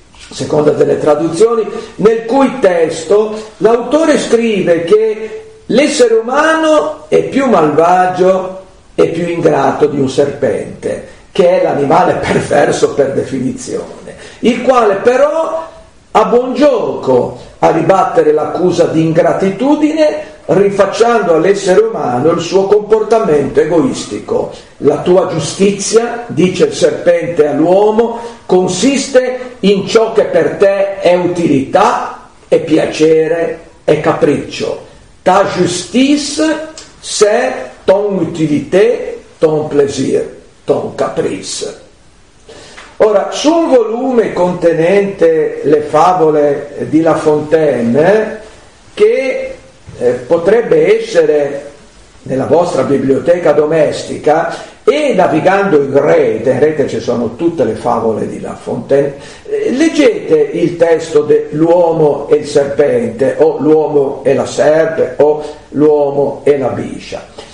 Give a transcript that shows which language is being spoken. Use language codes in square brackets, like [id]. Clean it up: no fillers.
[it] seconda delle traduzioni, nel cui testo l'autore scrive che l'essere umano è più malvagio e più ingrato di un serpente, che è l'animale perverso per definizione, il quale però ha buon gioco a ribattere l'accusa di ingratitudine rifacciando all'essere umano il suo comportamento egoistico. La tua giustizia, dice il serpente all'uomo, consiste in ciò che per te è utilità, è piacere, è capriccio. [fr] Ta justice, c'est ton utilité, ton plaisir, ton caprice. [it] Ora, su un volume contenente le favole di La Fontaine, che potrebbe essere nella vostra biblioteca domestica, e navigando in rete ci sono tutte le favole di La Fontaine, leggete il testo dell'uomo e il serpente, o l'uomo e la serpe, o l'uomo e la biscia.